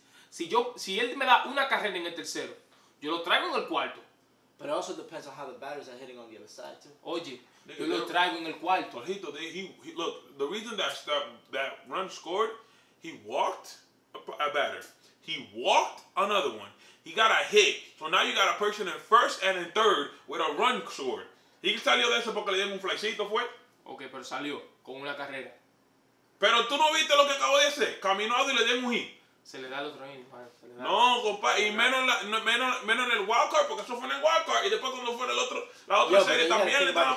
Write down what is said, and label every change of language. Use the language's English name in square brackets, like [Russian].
[Spanish] Si él me da una carrera en el tercero, yo lo traigo en el cuarto. [English] But it also depends on how the batters are hitting on the other side too. [Spanish] Oye, yo lo traigo en el cuarto. [English] Jorjito, look, the reason that run scored, he walked a batter. He walked another one. He got a hit. So now you got a person in first and in third with a run scored. [Spanish] ¿Y que salió de eso porque le dieron un flycito fue? Ok, pero salió con una carrera. Pero tú no viste lo que acabo de hacer. Caminó y le dieron un hit. Se le da el otro hit. No, compadre. Y menos en el wild card, porque eso fue en el wild card. Y después cuando fue en la otra serie también le dan a